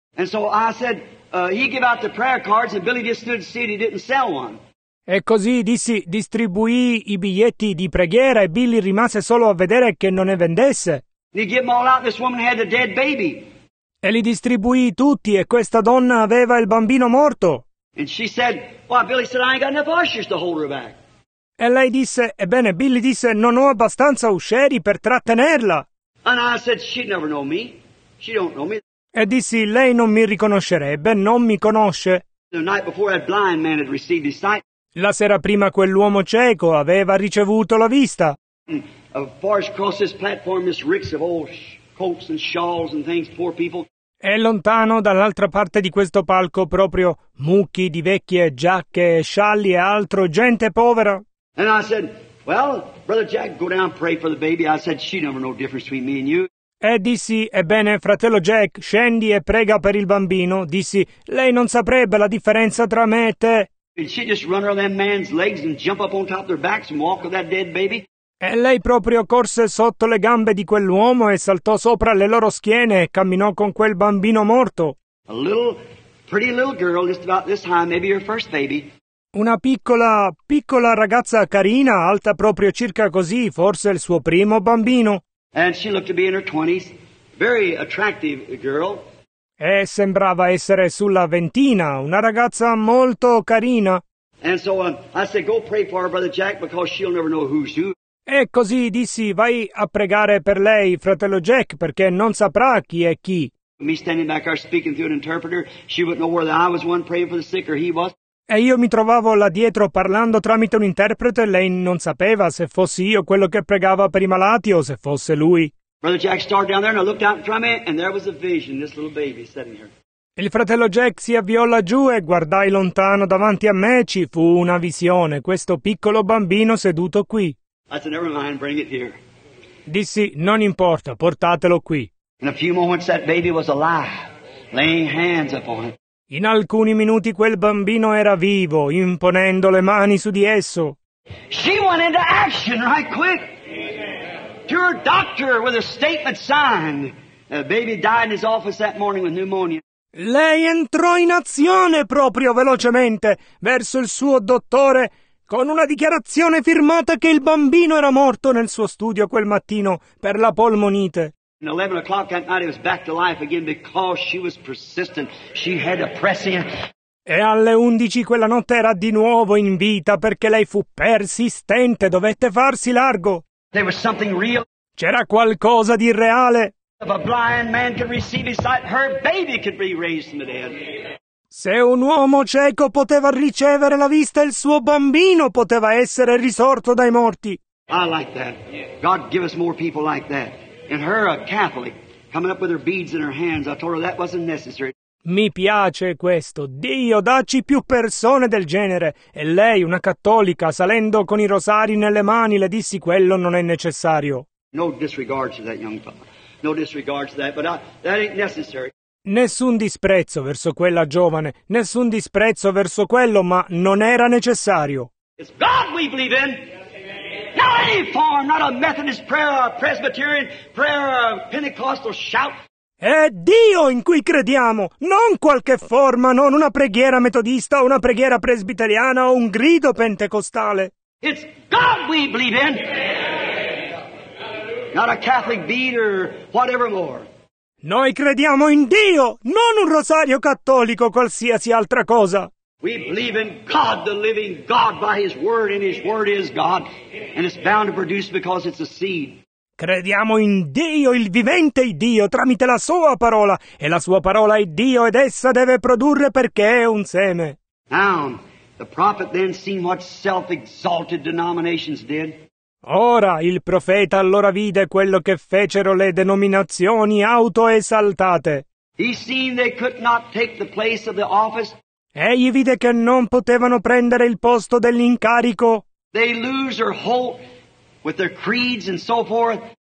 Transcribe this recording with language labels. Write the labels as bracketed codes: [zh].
[en] And so I said, he gave out the prayer cards and Billy just stood and said he didn't sell one. [it] E così dissi, distribuì i biglietti di preghiera e Billy rimase solo a vedere che non ne vendesse. [en] He gave them all out, this woman had a dead baby. [it] E li distribuì tutti e questa donna aveva il bambino morto. [en] And she said, well, Billy said, I ain't got enough ushers to hold her back. [it] E lei disse, ebbene, Billy disse, non ho abbastanza usceri per trattenerla. [en] And I said, she'd never know me. She don't know me. [it] E dissi, lei non mi riconoscerebbe, non mi conosce. [en] The night before that blind man had received his sight. [it] La sera prima quell'uomo cieco aveva ricevuto la vista. [en] As far as across this platform, this ricks of old coats and shawls and things, poor people. [it] E lontano dall'altra parte di questo palco proprio mucchi di vecchie giacche, scialli e altro, gente povera. [en] And I said, well, brother Jack, go down and pray for the baby. I said, she never know the difference between me and you. [it] E dissi, ebbene, fratello Jack, scendi e prega per il bambino. Dissi, lei non saprebbe la differenza tra me e te. [en] And she just run around that man's legs and jump up on top of their backs and walk with that dead baby. [it] E lei proprio corse sotto le gambe di quell'uomo e saltò sopra le loro schiene e camminò con quel bambino morto. [en] A little, pretty little girl, just about this high, maybe your first baby. [it] Una piccola, piccola ragazza carina, alta proprio circa così, forse il suo primo bambino. [en] And she looked to be in her 20s, very attractive girl. [it] E sembrava essere sulla ventina, una ragazza molto carina. [en] And so I said, go pray for her, brother Jack, because she'll never know who's who. [it] E così dissi, vai a pregare per lei, fratello Jack, perché non saprà chi è chi. [en] Me standing back there speaking through an interpreter, she wouldn't know whether I was one praying for the sick or he was. [it] E io mi trovavo là dietro parlando tramite un interprete, lei non sapeva se fossi io quello che pregava per i malati o se fosse lui. [en] Brother Jack started down there and I looked out in front of me and there was a vision, this little baby sitting here. [it] Il fratello Jack si avviò laggiù e guardai lontano davanti a me, ci fu una visione, questo piccolo bambino seduto qui. [en] I said, never mind, bring it here. [it] Dissi, non importa, portatelo qui. [en] In a few moments that baby was alive, laying hands upon it. [it] In alcuni minuti quel bambino era vivo, imponendo le mani su di esso. [en] She went into action right quick. Amen. To her doctor with a statement signed. The baby died in his office that morning with pneumonia. [it] Lei entrò in azione proprio velocemente verso il suo dottore con una dichiarazione firmata che il bambino era morto nel suo studio quel mattino per la polmonite. [en] At 11 o'clock that night he was back to life again because she was persistent. She had a pressing. [it] E alle 11 quella notte era di nuovo in vita perché lei fu persistente, dovette farsi largo. [en] There was something real. [it] C'era qualcosa di reale. [en] If a blind man could receive his sight, her baby could be raised from the dead. [it] Se un uomo cieco poteva ricevere la vista, il suo bambino poteva essere risorto dai morti. [en] I like that. God give us more people like that. And her, a Catholic, coming up with her beads in her hands, I told her that wasn't necessary. [it] Mi piace questo. Dio, dacci più persone del genere. E lei, una cattolica, salendo con i rosari nelle mani, le dissi quello non è necessario. [en] No disregard to that young fella. No disregard to that, but that ain't necessary. [it] Nessun disprezzo verso quella giovane, nessun disprezzo verso quello, ma non era necessario. [en] It's God we believe in. Not any form, not a Methodist prayer, or a Presbyterian prayer, or a Pentecostal shout. [it] È Dio in cui crediamo, non qualche forma, non una preghiera metodista, una preghiera presbiteriana o un grido pentecostale. [en] It's God we believe in. Not a Catholic bead or whatever more. [it] Noi crediamo in Dio, non un rosario cattolico o qualsiasi altra cosa. [en] We believe in God, the living God, by His Word, and His Word is God, and it's bound to produce because it's a seed. [it] Crediamo in Dio, il vivente Dio, tramite la sua parola, e la sua parola è Dio ed essa deve produrre perché è un seme. [en] Now, the prophet then seen what self-exalted denominations did. [it] Ora il profeta allora vide quello che fecero le denominazioni autoesaltate. [en] He seen they could not take the place of the office. [it] Egli vide che non potevano prendere il posto dell'incarico. [en] They lose their hope with their creeds and so forth.